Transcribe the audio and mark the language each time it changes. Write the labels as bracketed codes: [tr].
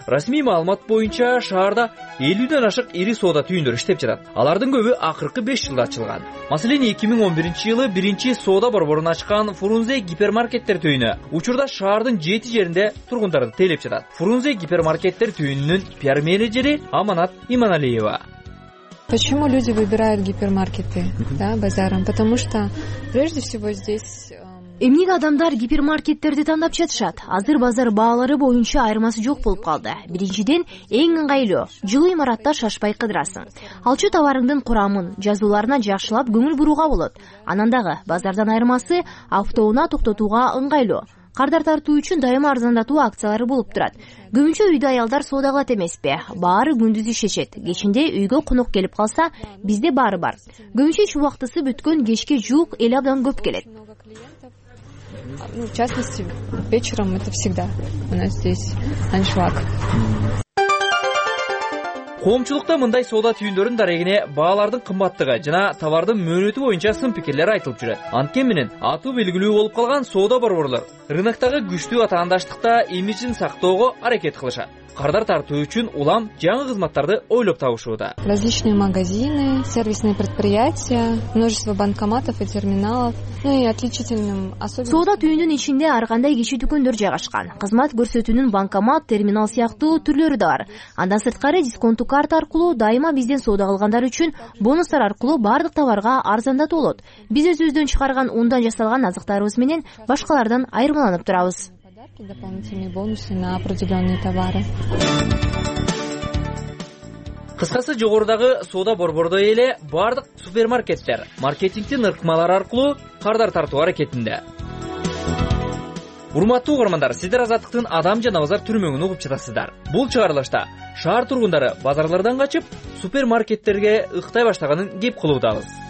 [ky] Расмий маалымат боюнча шаарда 50 ашык ири соода түйүндөрү иштеп жатат. Алардын көбү акыркы 5 жылда ачылган. Маселен, 2011 жылы биринчи соода борборун ачкан Фурунзе гипермаркеттер түйүнү учурда шаардын 7 жеринде тургундарды тейлеп жатат. Фурунзе гипермаркеттер түйүнүнүн пиар менеджери Аманат Иманалиева. [ru] Почему люди выбирают гипермаркеты, да, базарам? Потому что прежде всего здесь [ky] эмнеге адамдар гипермаркеттерди тандап жатышат? Азыр базар баалары боюнча айырмасы жок болуп калды. Биринчиден, эң ыңгайлуу. Жылуу имаратта шашпай кыдырасың. Алчу товарыңдын курамын, жазууларына жакшылап көңүл бурууга болот. Анан дагы базардан айырмасы автоуна токтотууга ыңгайлуу. Кардар тартуу үчүн дайыма арзандатуу акциялары болуп турат. Көбүнчө үйдө аялдар соода кылат эмеспи? Баары күндүз ишечет. Кечинде үйгө конок келип калса, бизде баары бар. Көбүнчө иш убактысы бүткөн кечке жуук эл абдан көп келет. [ru] В частности, вечером это всегда у нас здесь аншлаг. [ky] Коомчулукта мындай соода түйүндөрүн дарегине баалардын кымбаттыгы жана товардын мөөнөтү боюнча сын пикирлер айтылып жүрөт. Анткени менен аты белгилүү болуп калган соода борборлор рыноктагы күчтүү атаандаштыкта имиджин сактоого аракет кылышат. Кардар тартуу үчүн улам жаңы кызматтарды ойлоп табышууда. [ru] Различные магазины, сервисные предприятия, множество банкоматов и терминалов. Ну и отличительным особенностью. [ky] Соода түйүнүн ичинде ар кандай киши дүкөндөр жайгашкан. Кызмат көрсөтүүнүн банкомат, терминал сыяктуу түрлөрү да бар. Андан сырткары дисконту карта аркылуу дайыма бизден соода кылгандар үчүн бонустар аркылуу бардык товарга арзандатылат. Биз өзүбүздөн чыгарган ундан жасалган азыктарыбыз менен башкалардан айырмаланып турабыз. [ru] Дополнительные бонусы на определенные товары. [ky] Кыскасы жогорудагы соода борбордой эле бардык супермаркеттер маркетингдин ыркмалары аркылуу кардар тартуу аракетинде. Урматтуу угармандар, сиздер азаттыктын адам жана базар түрмөгүн угуп жатасыздар. Бул чыгарылышта шаар тургундары базарлардан качып супермаркеттерге ыктай баштаганын кеп кылуудабыз.